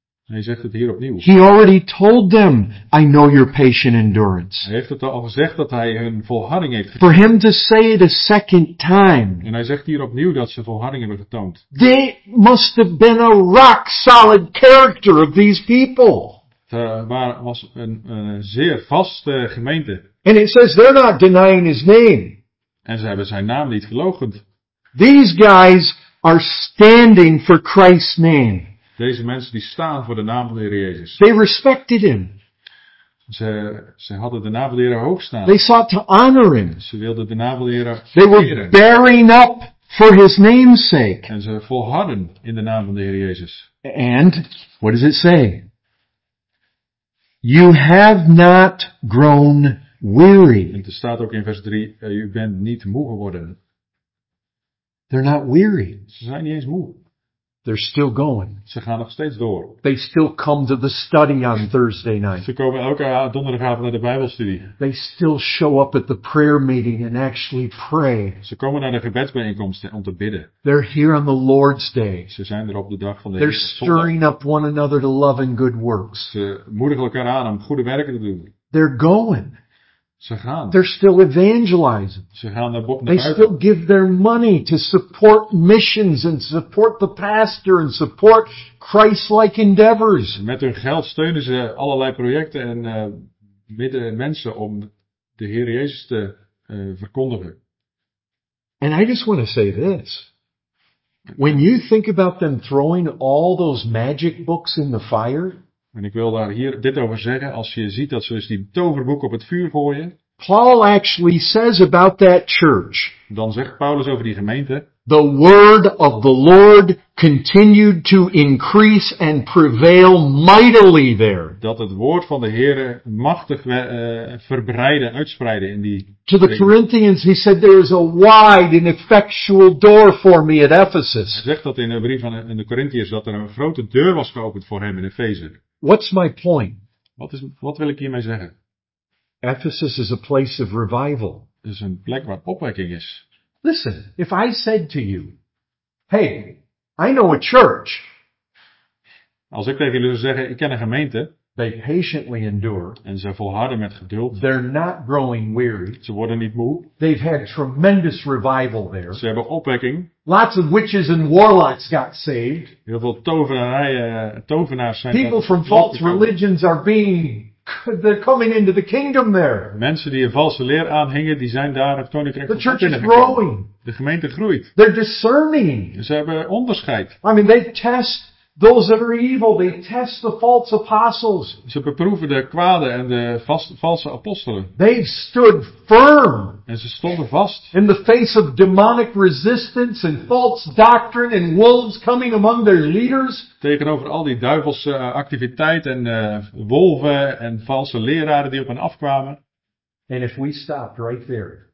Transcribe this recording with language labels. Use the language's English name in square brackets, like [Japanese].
[Dutch] En hij zegt het hier opnieuw. [English] He already told them, I know your patient endurance. [Dutch] Hij heeft het al gezegd dat hij hun volharding heeft getoond. [English] For him to say it a second time. [Dutch] En hij zegt hier opnieuw dat ze volharding hebben getoond. [English] They must have been a rock solid character of these people. [Dutch] Het was een zeer vaste gemeente. [English] And it says they're not denying his name. [Dutch] En ze hebben zijn naam niet verloochend. [English] These guys are standing for Christ's name. [Dutch] Deze mensen die staan voor de naam van de Heer Jezus. [English] They respected him. [Dutch] Ze hadden de naam van de Heer hoog staan. [English] They sought to honor him. [Dutch] Ze wilden de naam van de Heer eren. [English] They were bearing up for his name's sake. [Dutch] En ze volharden in de naam van de Heer Jezus. [English] And what does it say? You have not grown weary. [Dutch] En er staat ook in vers 3, u bent niet moe geworden. [English] They're not weary. [Dutch] Ze zijn niet eens moe. [English] They're still going. [Dutch] Ze gaan nog steeds door. [English] They still come to the study on Thursday night. [Dutch] Ze komen elke donderdagavond naar de Bijbelstudie. [English] They still show up at the prayer meeting and actually pray. [Dutch] Ze komen naar de gebedsbijeenkomsten om te bidden. [English] They're here on the Lord's Day. [Dutch] Ze zijn er op de dag van de Heer. [English] They're stirring up one another to love and good works. [Dutch] Ze moedigen elkaar aan om goede werken te doen. [English] They're going. [Dutch] Ze gaan. [English] They're still evangelizing. [Dutch] Ze gaan naar buiten. [English] They still give their money to support missions and support the pastor and support Christ-like endeavors. [Dutch] Met hun geld steunen ze allerlei projecten en bidden mensen om de Heer Jezus te verkondigen. [English] And I just want to say this. When you think about them throwing all those magic books in the fire. [Dutch] En ik wil daar hier dit over zeggen. Als je ziet dat ze dus die toverboeken op het vuur gooien. [English] Paul actually says about that church. [Dutch] Dan zegt Paulus over die gemeente. [English] The word of the Lord continued to increase and prevail mightily there. [Dutch] Dat het woord van de Heere machtig verbreiden, uitspreiden in die. [English] To the Corinthians he said there is a wide and effectual door for me at Ephesus. [Dutch] Hij zegt dat in een brief aan de Corinthiërs dat er een grote deur was geopend voor hem in Efeze. [English] What's my point? [Dutch] Wat wil ik hiermee zeggen? [English] Ephesus is a place of revival. [Dutch] Het is een plek waar opwekking is. [English] Listen, if I said to you, hey, I know a church. [Dutch] Als ik tegen jullie zou zeggen, ik ken een gemeente. [English] They patiently endure. [Dutch] En ze volharden met geduld. [English] They're not growing weary. [Dutch] Ze worden niet moe. [English] They've had tremendous revival there. [Dutch] Ze hebben opwekking. [English] Lots of witches and warlocks got saved. [Dutch] Heel veel tovenaars zijn. [English] People from false religions are being, they're coming into the kingdom there. [Dutch] Mensen die een valse leer aanhingen, die zijn daar het koninkrijk. [English] The church is growing. [Dutch] De gemeente groeit. [English] They're discerning. [Dutch] Ze hebben onderscheid. [English] I mean, they test those that are evil, they test the false apostles. [Dutch] Ze beproeven de kwade en de valse apostelen. [English] They've stood firm. [Dutch] En ze stonden vast. [English] In the face of demonic resistance and false doctrine and wolves coming among their leaders. [Dutch] Tegenover al die duivelse activiteit en wolven en valse leraren die op hen afkwamen. [English] And if we stopped right there.